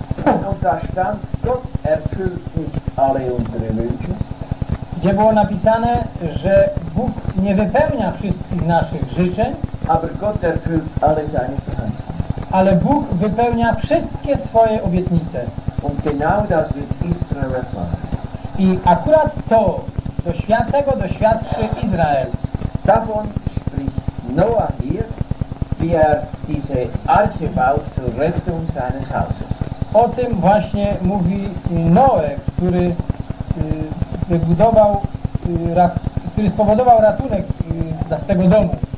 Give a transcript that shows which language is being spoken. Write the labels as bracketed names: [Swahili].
[German] Und da stand, Gott erfüllt nicht alle unsere Wünsche. [Polish] Gdzie było napisane, że Bóg nie wypełnia wszystkich naszych życzeń, [German] aber Gott erfüllt alle seine Verheißungen. [Polish] Ale Bóg wypełnia wszystkie swoje obietnice. [German] Und genau das wird Israel erfahren. [Polish] I akurat to tego doświadczy Izrael. [German] Davon spricht Noah hier, wie diese Arche baut zur Rettung seines Hauses. [Polish] O tym właśnie mówi Noe, który wybudował, który spowodował ratunek dla swego domu.